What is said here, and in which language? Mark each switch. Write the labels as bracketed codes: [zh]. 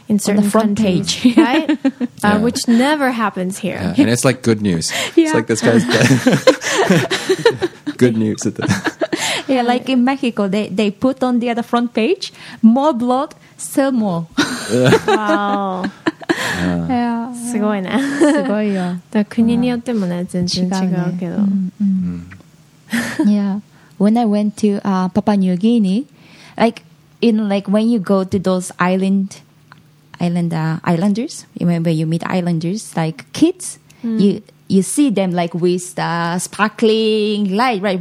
[en] In certain front page, right? Yeah. Which never happens here. Yeah. And it's, like, good news. It's like, this guy's dead. Good news. Yeah, like, in Mexico, they put on the other front page, more blood, sell more. [ja] Wow. すごいね。すごいよ。だ国によってもね、全然違うけど。ね、 [en] Yeah. When I went to Papua New Guinea, like, you know, like when you go to those islanders, when you meet islanders, like kids, you see them like with the sparkling light, right?